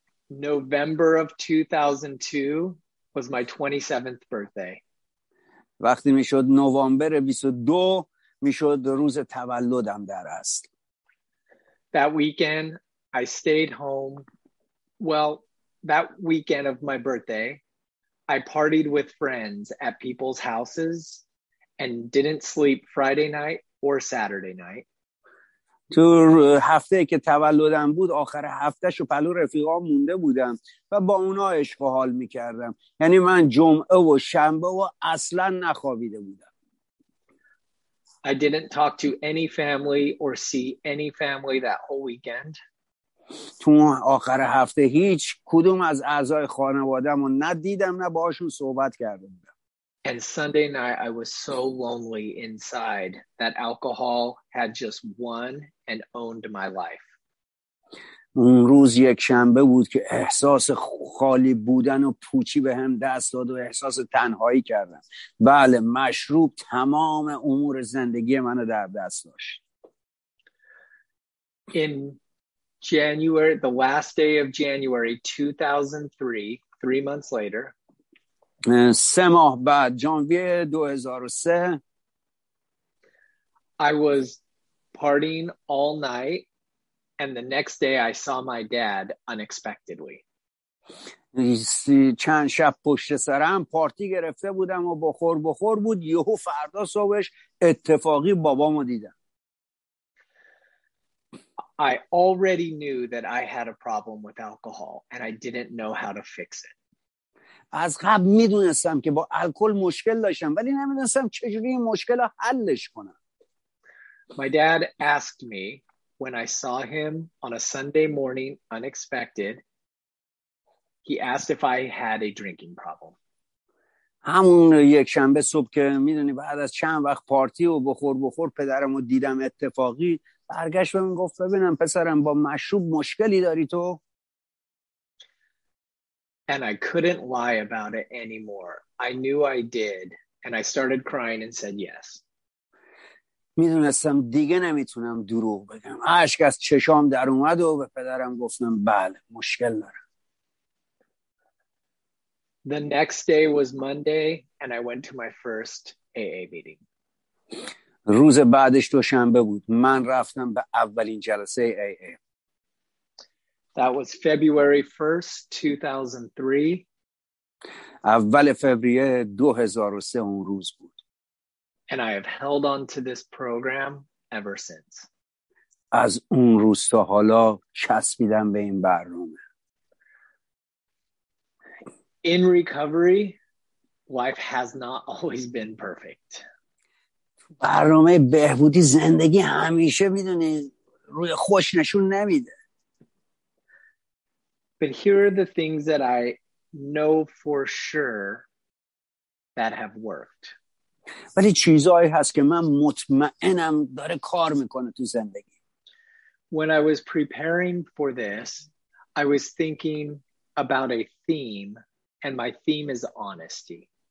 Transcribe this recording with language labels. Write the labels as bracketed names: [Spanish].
[English] November of 2002 was my 27th birthday. [Persian] وقتی میشد نوامبر 22 میشد روز تولدم در اصل. [English] That weekend I stayed home. Well, that weekend of my birthday, I partied with friends at people's houses and didn't sleep Friday night or Saturday night. [Persian] تو هفته که تولدم بود آخر هفته شو پلو رفیقام مونده بودم و با اونا عشق و حال میکردم. یعنی من جمعه و شنبه و اصلا نخوابیده بودم. [English] I didn't talk to any family or see any family that whole weekend. [Persian] تو آخر هفته هیچ کدوم از اعضای خانوادم رو ندیدم نه باهاشون صحبت کردم. [English] And Sunday night, I was so lonely inside that alcohol had just won and owned my life. [Persian] اون روز یک شنبه بود که احساس خالی بودن و پوچی به هم دست داد و احساس تنهایی کردم. بله، مشروب تمام امور زندگی منو در دست داشت. [English] In January, the last day of January 2003, 3 months later, [Persian] سه ماه بعد جانویه 2003 [English] I was partying all night and the next day I saw my dad unexpectedly. [Persian] چند شب پشت سرم پارتی گرفته بودم و بخور بخور بود یهو فردا صبحش اتفاقی بابامو دیدم. [English] I already knew that I had a problem with alcohol and I didn't know how to fix it. [Persian] از قبل میدونستم که با الکل مشکل داشتم ولی نمیدونستم چجوری این مشکل رو حلش کنم. [English] My dad asked me when I saw him on a Sunday morning unexpected. He asked if I had a drinking problem. [Persian] همون یک شنبه صبح که میدونی بعد از چند وقت پارتی و بخور بخور پدرم رو دیدم اتفاقی برگشت بهم گفت ببینم پسرم با مشروب مشکلی داری تو؟ [English] And I couldn't lie about it anymore. I knew I did. And I started crying and said yes. [Persian] میدونستم دیگه نمیتونم دروغ بگم. عشق از چشام در اومد و به پدرم گفتم بله مشکل دارم. [English] The next day was Monday and I went to my first AA meeting. [Persian] روز بعدش دوشنبه بود. من رفتم به اولین جلسه AA. [English] That was February 1st, 2003. [Persian] اول فوریه 2003 اون روز بود. [English] And I have held on to this program ever since. [Persian] از اون روز تا حالا چسبیدم به این برنامه. [English] In recovery, life has not always been perfect. [Persian] برنامه بهبودی زندگی همیشه میدونی روی خوش نشون نمیده. [English] But here are the things that I know for sure that have worked. [Persian] ولی چیزایی هست که من مطمئنم داره کار میکنه تو زندگی. [English] When I was preparing for this, I was thinking about a theme, and my theme is honesty.